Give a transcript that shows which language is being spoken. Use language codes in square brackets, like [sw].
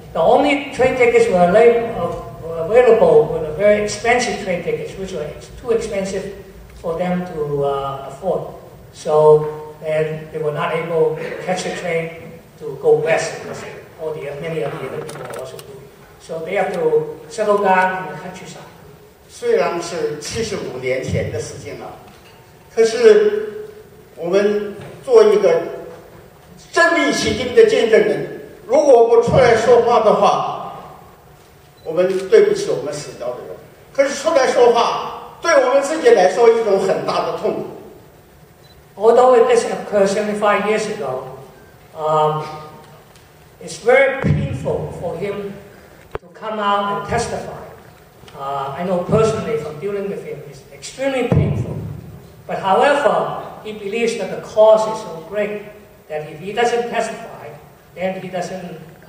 [en] The only train tickets were available were the very expensive train tickets, which were too expensive for them to afford. So then they were not able to catch a train to go west. Many of the other people also do. So they have to settle down in the countryside. [zh] 虽然是75年前的事情了，可是我们做一个身历其境的见证人，如果不出来说话的话，我们对不起我们死掉的人。可是出来说话，对我们自己来说一种很大的痛苦。 [en] Although this occurred 75 years ago, It's very painful for him to come out and testify. I know personally from dealing with him, it's extremely painful. But however, he believes that the cause is so great that if he doesn't testify, then he doesn't...